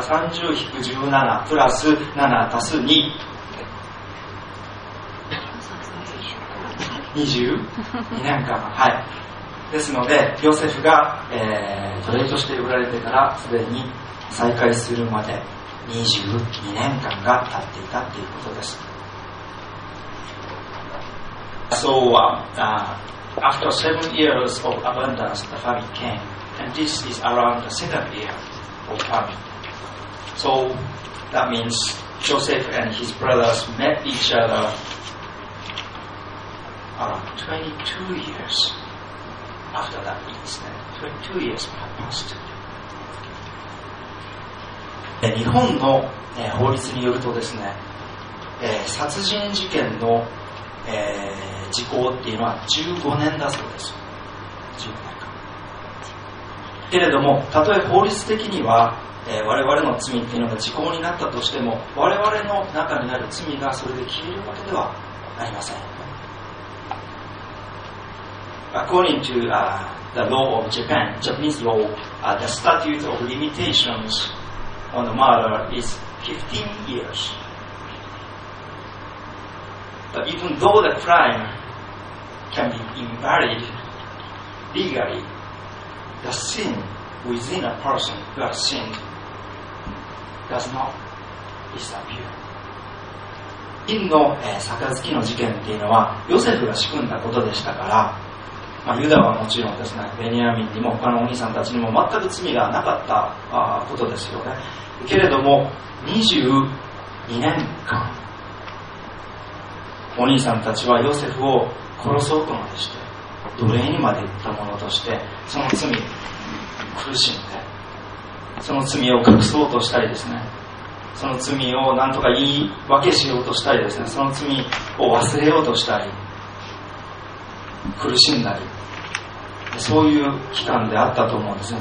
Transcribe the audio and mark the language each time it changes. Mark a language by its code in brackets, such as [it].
[ja] 30-17プラス7足す2 22年間、はい、ですのでヨセフが、奴隷として売られてからすでに再開するまで22年間が経っていたということです。 [en] So, after 7 years of abundance, the famine came, and this is around the second year of famine. So, that means Joseph and his brothers met each other around 22 years after that incident. 22 years have passed. [ja] 日本の法律によるとですね、殺人事件の時効っていうのは15年だそうです。 15年間けれども、たとえ法律的には我々の罪っていうのが時効になったとしても、我々の中にある罪がそれで消えるわけではありません。 [en] According to the law of Japan, Japanese law, the statute of limitationsOn the murder is 15 years. But even though the crime can be invalid legally, the sin within a person who has sinned does not disappear. [ja] 銀の杯の事件っていうのはヨセフが仕組んだことでしたから、まあ、ユダはもちろんですね、ベニヤミンにも他のお兄さんたちにも全く罪がなかったことですよね。けれども22年間お兄さんたちはヨセフを殺そうとまでして、奴隷にまで行った者としてその罪苦しんで、その罪を隠そうとしたりですね、その罪を何とか言い訳しようとしたりですね、その罪を忘れようとしたり苦しんだり、そういう期間であったと思うんですね。